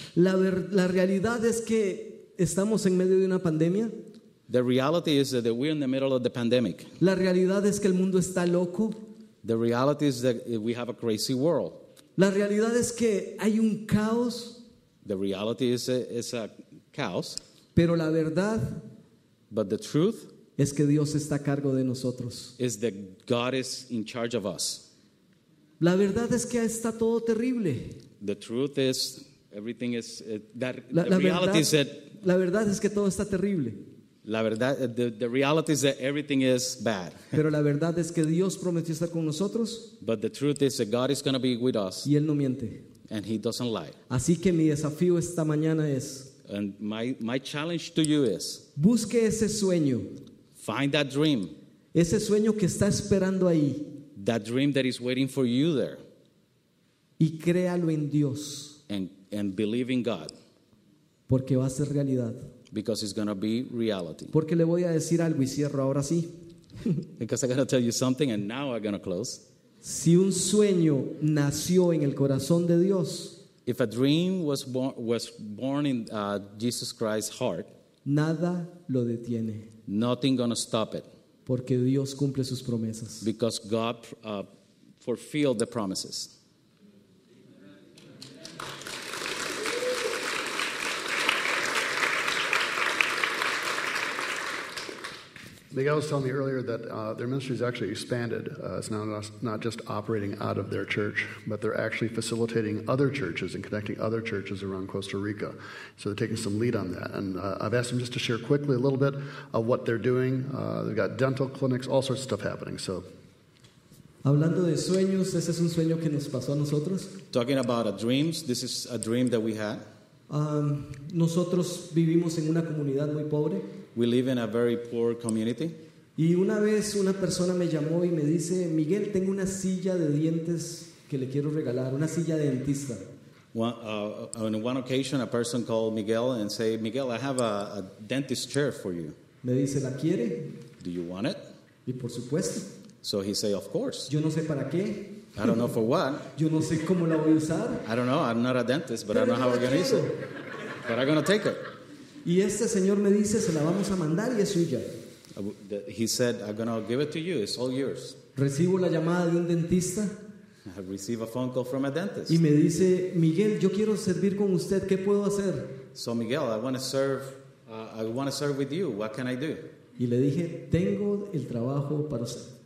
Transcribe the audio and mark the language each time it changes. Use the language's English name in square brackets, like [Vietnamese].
[Spanish] La realidad es que estamos en medio de una pandemia. [English] The reality is that we're in the middle of the pandemic. [Spanish] La realidad es que el mundo está loco. [English] The reality is that we have a crazy world. [Spanish] La realidad es que hay un caos. [English] The reality is a chaos. [Spanish] Pero la verdad. [English] But the truth. [Spanish] Es que Dios está a cargo de nosotros. [English] Is that God is in charge of us. [Spanish] La verdad es que está todo terrible. [English] The truth is everything is that la the reality [Spanish] verdad, [English] is that. [Spanish] La verdad es que todo está terrible. La verdad, [English] the reality is that everything is bad. [Spanish] Pero la verdad es que Dios prometió estar con nosotros. [English] But the truth is that God is going to be with us. [Spanish] Y él no miente. [English] And he doesn't lie. [Spanish] Así que mi desafío esta mañana es. [English] And my challenge to you is. [Spanish] Busque ese sueño. [English] Find that dream. [Spanish] Ese sueño que está esperando ahí. [English] That dream that is waiting for you there. [Spanish] Y créalo en Dios. [English] And believe in God. [Spanish] Porque va a ser realidad. [English] Because it's going to be reality. [Spanish] Porque le voy a decir algo y cierro ahora sí. [English] Because I'm going to tell you something and now I'm going to close. [Spanish] Si un sueño nació en el corazón de Dios. [English] If a dream was born in Jesus Christ's heart. [Spanish] Nada lo detiene. [English] Nothing going to stop it. [Spanish] Porque Dios cumple sus promesas. [English] Because God fulfilled the promises. Miguel was telling me earlier that their ministry has actually expanded. It's now not just operating out of their church, but they're actually facilitating other churches and connecting other churches around Costa Rica. So they're taking some lead on that. And I've asked them just to share quickly a little bit of what they're doing. They've got dental clinics, all sorts of stuff happening. So, [Spanish] hablando de sueños, ese es un sueño que nos pasó a nosotros. [English] Talking about dreams, this is a dream that we had. [Spanish] Nosotros vivimos en una comunidad muy pobre. [English] We live in a very poor community. [Spanish] Y una vez una persona me llamó y me dice, Miguel, tengo una silla de dientes que le quiero regalar, una silla de dentista. [English] On one occasion, a person called Miguel and said, Miguel, I have a dentist chair for you. [Spanish] Me dice, ¿la quiere? [English] Do you want it? [Spanish] Y por supuesto. [English] So he said, of course. [Spanish] Yo no sé para qué. [English] I don't know for what. [Spanish] Yo no sé cómo la voy a usar. [English] I don't know. I'm not a dentist, but I don't know how we're going to use it. But I'm going to take it. [Spanish] Y este señor me dice, se la vamos a mandar y es suya. [English] He said, I'm going to give it to you. It's all yours. [Spanish] Recibo la llamada de un dentista. [English] I receive a phone call from a dentist. [Spanish] Y me dice, Miguel, yo quiero servir con usted. ¿Qué puedo hacer? [English] So Miguel, I want to serve with you. What can I do? [Spanish] Y le dije, tengo el trabajo para usted.